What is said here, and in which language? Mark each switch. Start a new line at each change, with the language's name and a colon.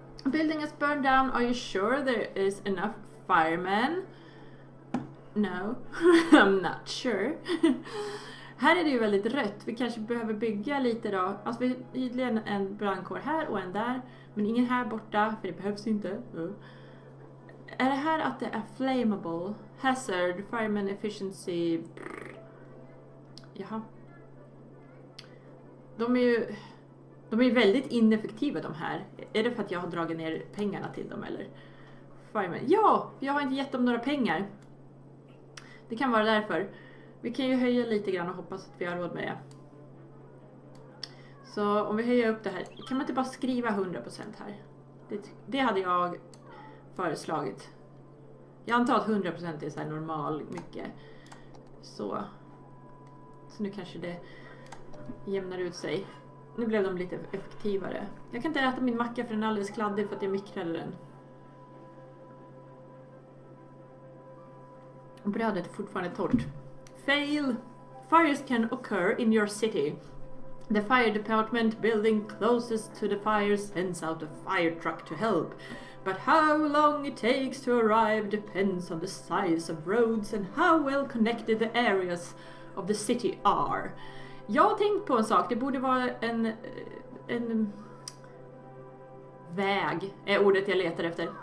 English: Building is burned down. Are you sure there is enough firemen? No, I'm not sure.
Swedish: Här är det ju väldigt rött. Vi kanske behöver bygga lite då. Alltså vi hittar en brandkår här och en där. Men ingen här borta, för det behövs inte. Är det här att det är flammable?
English: Hazard, fireman efficiency.
Swedish: Jaha. De är ju väldigt ineffektiva de här. Är det för att jag har dragit ner pengarna till dem eller? Fireman. Ja, jag har inte gett dem några pengar. Det kan vara därför. Vi kan ju höja lite grann och hoppas att vi har råd med det. Så om vi höjer upp det här. Kan man inte bara skriva 100% här? Det hade jag föreslagit. Jag antar att 100% är så här normal mycket. Så nu kanske det jämnar ut sig. Nu blev de lite effektivare. Jag kan inte äta min macka för den är alldeles kladdig för att jag mikrade den. Brödet är fortfarande torrt.
English: Fail! Fires can occur in your city. The fire department building closest to the fire sends out a fire truck to help. But how long it takes to arrive depends on the size of roads and how well connected the areas of the city are.
Swedish: Jag har tänkt på en sak, det borde vara en väg är ordet jag letar efter.